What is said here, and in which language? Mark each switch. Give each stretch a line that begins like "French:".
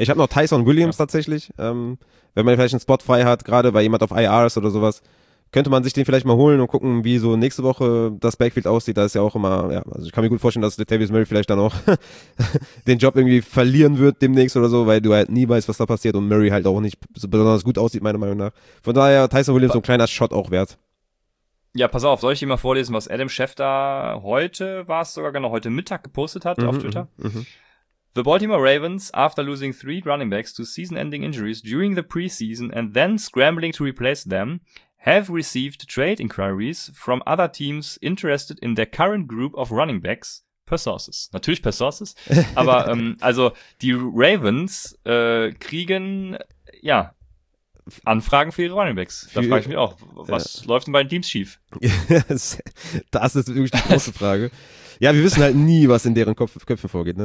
German: Ich habe noch Tyson Williams tatsächlich. Wenn man vielleicht einen Spot frei hat, gerade bei jemand auf IRs oder sowas, könnte man sich den vielleicht mal holen und gucken, wie so nächste Woche das Backfield aussieht. Da ist ja auch immer, ja, also ich kann mir gut vorstellen, dass Latavius Murray vielleicht dann auch den Job irgendwie verlieren wird demnächst oder so, weil du halt nie weißt, was da passiert und Murray halt auch nicht so besonders gut aussieht, meiner Meinung nach. Von daher Tyson Williams so ein kleiner Shot auch wert. Ja, pass auf, soll ich dir mal vorlesen, was Adam Schefter heute, war es sogar genau heute Mittag gepostet hat auf Twitter?
English: The Baltimore Ravens, after losing 3 running backs to season-ending injuries during the preseason and then scrambling to replace them, have received trade inquiries from other teams interested in their current group of running backs, per sources.
German: Natürlich per sources, aber also die Ravens kriegen, ja, Anfragen für ihre Running Backs. Da frage ich mich auch, was läuft denn bei den Teams schief? Das ist wirklich die große Frage. Ja, wir wissen halt nie, was in deren Köpfen vorgeht. Ne?